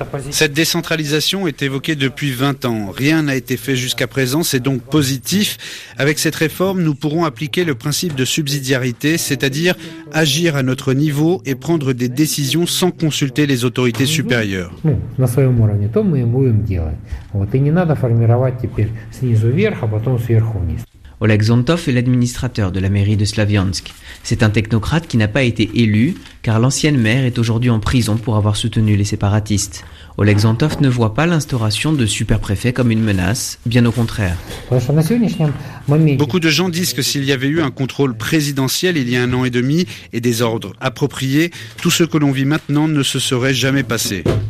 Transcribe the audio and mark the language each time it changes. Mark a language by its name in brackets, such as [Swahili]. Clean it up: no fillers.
[French] Cette décentralisation est évoquée depuis 20 ans. Rien n'a été fait jusqu'à présent, c'est donc positif. Avec cette réforme, nous pourrons appliquer le principe de subsidiarité, c'est-à-dire agir à notre niveau et prendre des décisions sans consulter les autorités supérieures. [Russian] На своём уровне то мы будем делать. Вот и не надо формировать теперь снизу вверх, а потом сверху вниз. [French] Oleg Zontov est l'administrateur de la mairie de Slaviansk. C'est un technocrate qui n'a pas été élu, car l'ancienne maire est aujourd'hui en prison pour avoir soutenu les séparatistes. Oleg Zontov ne voit pas l'instauration de super-préfets comme une menace, bien au contraire. Beaucoup de gens disent que s'il y avait eu un contrôle présidentiel il y a un an et demi et des ordres appropriés, tout ce que l'on vit maintenant ne se serait jamais passé.